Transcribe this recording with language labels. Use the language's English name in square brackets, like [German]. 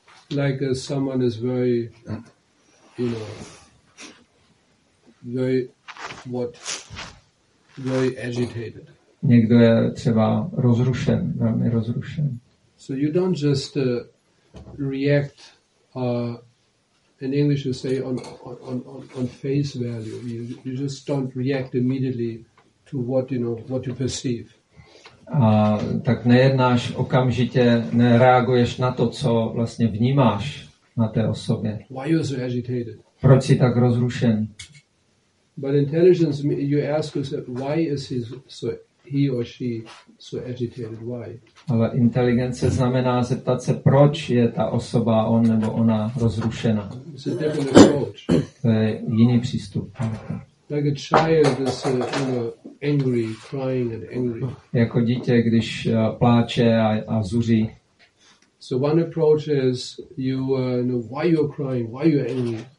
[English] Like someone is very, you know, very agitated. [Czech] Někdo je třeba rozrušen, velmi rozrušen. [English] So you don't just react in English you say on face value. You just don't react immediately to what you know, what you perceive. [Czech] Tak nejednáš okamžitě, nereaguješ na to, co vlastně vnímáš na té osobě. [English] Why you so agitated? [Czech] Proč jsi tak rozrušen? [English] But intelligence, you ask yourself, why is he or she so agitated? Why? [Czech] Ale inteligence znamená zeptat se, proč je ta osoba, on nebo ona, rozrušena. [English] It's a different approach. [Czech] To je jiný přístup. [English] Like a child is, you know, angry, crying and angry. [Czech] Jako dítě, když pláče a zuří. [English] So one approach is, you know, why you're crying, why you're angry.